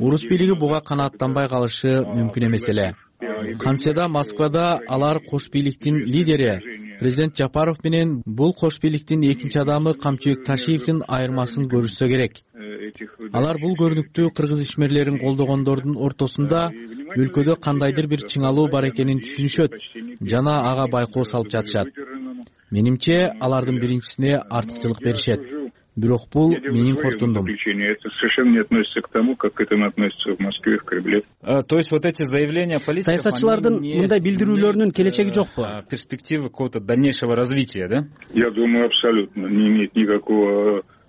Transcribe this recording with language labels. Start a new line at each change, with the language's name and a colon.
Kyrgyz: Орус бийлиги буга канааттанбай калышы мүмкүн эмес эле. Кантсе да Москвада алар кош бийликтин лидери президент Жапаров менен бул кош бийликтин экинчи адамы Камчыбек Ташиевдин айырмасын көрүшсө керек. Алар бул көрүнүктүү кыргыз ишмерлерин колдогондордун ортосунда өлкөдө кандайдыр бир чыңалуу бар экенин түшүнүшөт жана ага байкоо салып жатышат. Менимче алардын биринчисине артыкчылык беришет. Бирок бул менин кортундум.
Russian: Это совершенно не относится к тому, как к этому относится в Москве, в Кремле. То есть вот эти заявления политиков.
Kyrgyz: Саясатчылардын мындай билдирүүлөрүнүн келечеги жокпу?
Russian: Перспективы какого-то дальнейшего развития, да? Я думаю, абсолютно не имеет никакого.